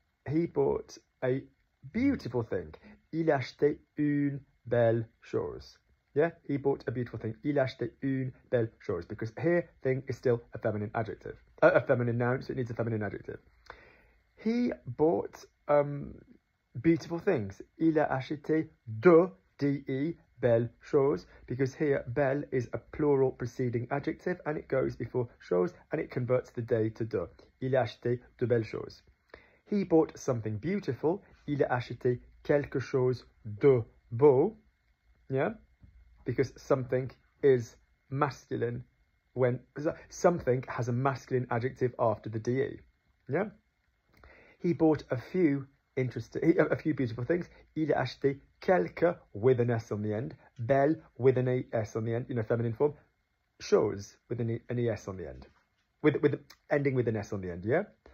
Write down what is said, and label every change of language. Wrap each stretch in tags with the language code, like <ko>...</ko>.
<en>He bought a beautiful thing.</en> <fr>Il a acheté une belle chose.</fr> <en>Yeah, he bought a beautiful thing.</en> <fr>Il a acheté une belle chose.</fr> <en>Because here, thing is still a feminine adjective. A feminine noun, so it needs a feminine adjective. He bought beautiful things.</en> <fr>Il a acheté deux, D-E, belles choses.</fr> <en>Because here, belle is a plural preceding adjective and it goes before chose and it converts the day to deux.</en> <fr>Il a acheté de belles choses.</fr> <en>He bought something beautiful.</en> <fr>Il a acheté quelque chose de beau.</fr> <en>Yeah? Because something is masculine when something has a masculine adjective after the DE. Yeah? He bought a few beautiful things.</en> <fr>Il a acheté quelques,</fr> <en>with an S on the end, belle, with an ES on the end, you know, feminine form, choses, with an ES on the end, with ending with an S on the end, yeah?</en>